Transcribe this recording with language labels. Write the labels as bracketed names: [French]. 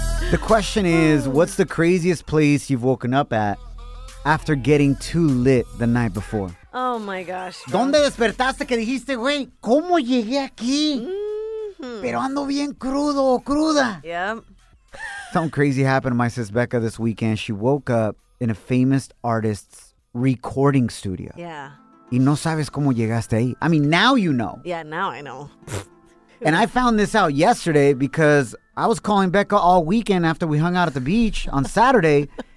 [English] The question is, what's the craziest place you've woken up at after getting too lit the night before? Oh, my gosh. Bro. [Spanish] ¿Dónde despertaste que dijiste, güey, cómo llegué aquí? Mm-hmm. Pero ando bien crudo o cruda. [English] Yep. Something crazy happened to my sis Becca this weekend. She woke up in a famous artist's recording studio. Yeah. [Spanish] Y no sabes cómo llegaste ahí. [English] I mean, now you know. Yeah, now I know. And I found this out yesterday because I was calling Becca all weekend after we hung out at the beach on Saturday.